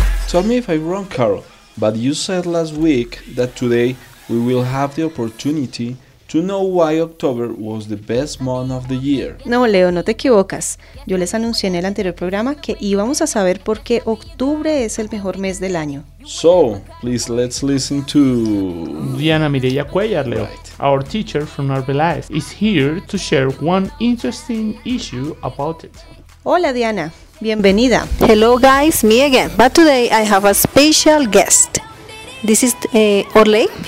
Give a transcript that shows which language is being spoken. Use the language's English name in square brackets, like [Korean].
[English] Tell me if I'm wrong, Carol, but you said last week that today we will have the opportunity to know why October was the best month of the year. [Spanish] No, Leo, no te equivocas. Yo les anuncié en el anterior programa que íbamos a saber por qué octubre es el mejor mes del año. [English] So, please let's listen to Diana Mireya Cuellar, Leo. Right. Our teacher from Arbeláez is here to share one interesting issue about it. [Spanish] Hola, Diana. Bienvenida. [English] Hello, guys. Me again. But today I have a special guest. This is Orley.